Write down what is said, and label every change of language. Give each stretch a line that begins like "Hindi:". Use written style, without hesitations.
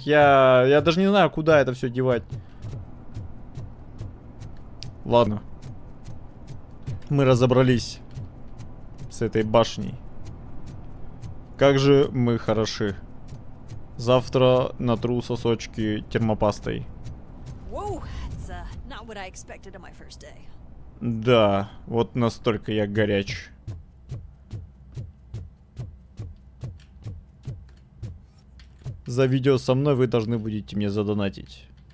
Russian: Я даже не знаю, куда это все девать. Ладно. Мы разобрались с этой башней. Как же мы хороши. Завтра натру сосочки термопастой.
English: Wow, that's not what I expected on my first day.
Russian: Да, вот настолько я горяч. За видео со мной вы должны будете мне задонатить.